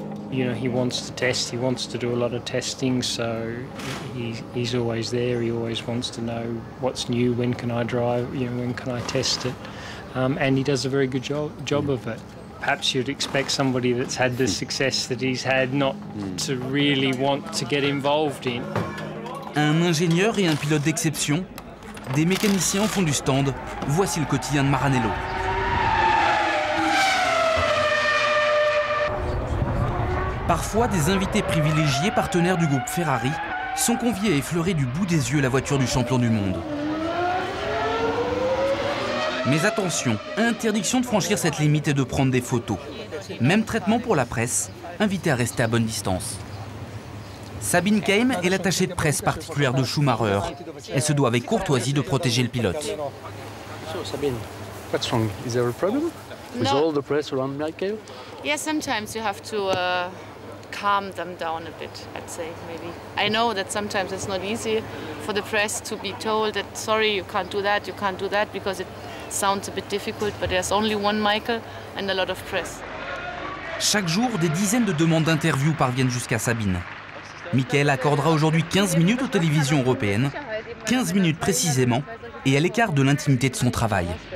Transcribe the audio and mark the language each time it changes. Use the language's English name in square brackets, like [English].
[English] You know, he wants to test, he wants to do a lot of testing, so he's always there, he always wants to know what's new, when can I drive, you know, when can I test it. And he does a very good job of it. Perhaps you'd expect somebody that's had the success that he's had not to really want to get involved in. [French] Un ingénieur et un pilote d'exception, des mécaniciens au fond du stand, voici le quotidien de Maranello. Parfois, des invités privilégiés, partenaires du groupe Ferrari, sont conviés à effleurer du bout des yeux la voiture du champion du monde. Mais attention, interdiction de franchir cette limite et de prendre des photos. Même traitement pour la presse, invité à rester à bonne distance. Sabine Keim est l'attachée de presse particulière de Schumacher. Elle se doit avec courtoisie de protéger le pilote. [English] So, Sabine, what's wrong? Is there a problem? No. Is all the press around Michael? Yes, yeah, sometimes you have to calm them down a bit, I'd say, maybe. I know that sometimes it's not easy for the press to be told that, sorry, you can't do that, because it sounds a bit difficult, but there's only one Michael and a lot of press. [French] Chaque jour, des dizaines de demandes d'interview parviennent jusqu'à Sabine. Michael accordera aujourd'hui 15 minutes aux télévisions européennes, 15 minutes précisément, et à l'écart de l'intimité de son travail.